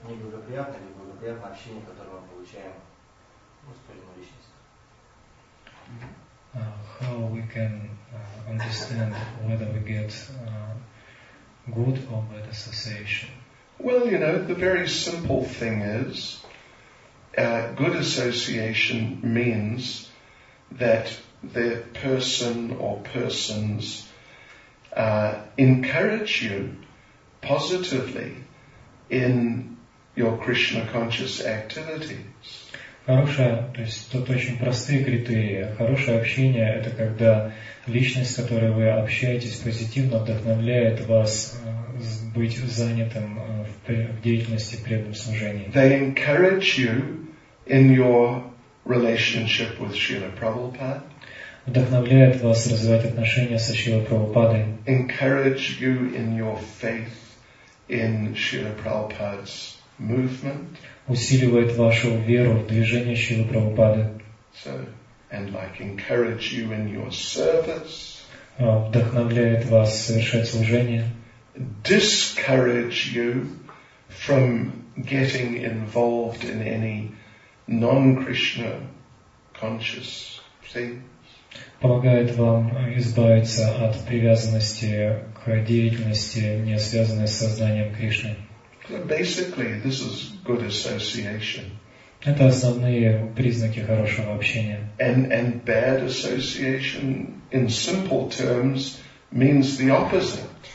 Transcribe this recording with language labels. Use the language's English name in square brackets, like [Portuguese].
[Russian] Неблагоприятное общение, которое мы получаем с полной личностью. [English] how we can understand whether we get good or bad association. Well, you know, the very simple thing is, good association means that the person or persons encourage you positively in your Krishna conscious activities. [Russian] Хорошая, то есть тут очень простые критерии. Хорошее общение – это когда личность, с которой вы общаетесь позитивно, вдохновляет вас быть занятым в деятельности преданного служения. [English] They encourage you in your relationship with Srila Prabhupada. [Russian] Вдохновляет вас развивать отношения со Шрилой Прабхупадой. [English] Encourage you in your faith in Srila Prabhupada's movement. [Russian] Усиливает вашу веру в движение Шрилы Прабхупады. [English] So, and like encourage you in your service. [Russian] Вдохновляет вас совершать служение. [English] Discourage you from getting involved in any non-Krishna conscious thing. [Russian] Помогает вам избавиться от привязанности к деятельности, не связанной с сознанием Кришны. [English] Basically, this is good association. [Russian] Это основные признаки хорошего общения. [English] And bad association, in simple terms, means the opposite.